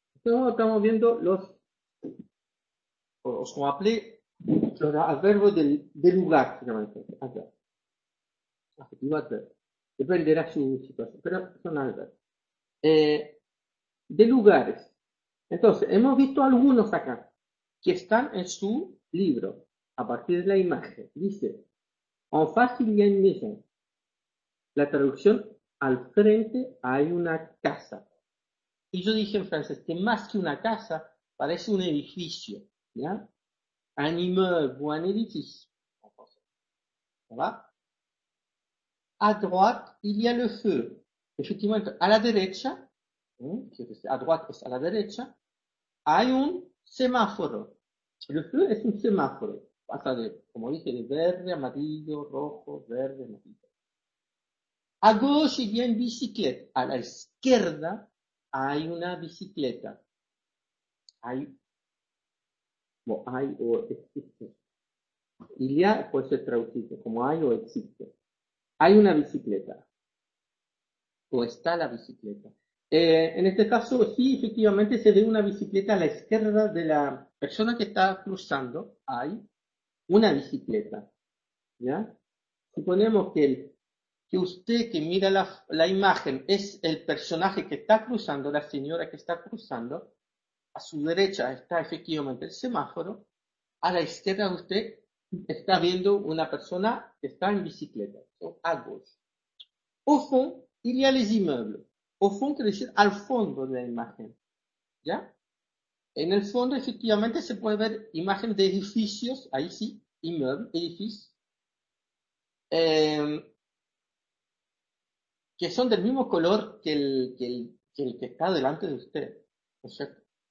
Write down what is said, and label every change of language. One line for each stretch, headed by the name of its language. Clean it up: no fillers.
Spanish: Entonces, estamos viendo los, como appelé, los adverbios de lugar, finalmente. Adverbio. Dependerá su situación, pero son adverbios. De lugares. Entonces, hemos visto algunos acá que están en su libro, a partir de la imagen. Dice,
French: en face, il y a une maison.
Spanish: La traducción, al frente hay una casa. Y yo dije en francés que más que una casa, parece un edificio. ¿Ya?
French: Un immeuble,
Spanish: un edificio. ¿Va?
French: A droite, il y a le feu.
Spanish: Efectivamente, a la derecha,
French: a droite
Spanish: es a la derecha, hay un semáforo.
French: Le feu
Spanish: es un semáforo. Pasa de, como dije, de verde, amarillo, rojo, verde, amarillo.
French: A gauche, il y a une bicicleta.
Spanish: A la izquierda, hay una bicicleta. Hay. Como hay o existe.
French: Il y a
Spanish: puede ser traducido como hay o existe. Hay una bicicleta. O está la bicicleta. En este caso, sí, efectivamente, se ve una bicicleta a la izquierda de la persona que está cruzando. Hay una bicicleta. ¿Ya? Suponemos que el. Que usted que mira la imagen es el personaje que está cruzando, la señora que está cruzando. A su derecha está efectivamente el semáforo. A la izquierda de usted está viendo una persona que está en bicicleta.
French: O a gauche. Au fond, il y a les immeubles. Au fond
Spanish: quiere decir al fondo de la imagen. ¿Ya? En el fondo efectivamente se puede ver imagen de edificios. Ahí sí, inmueble, edificio. Que son del mismo color que el que está delante de usted. ¿No es cierto?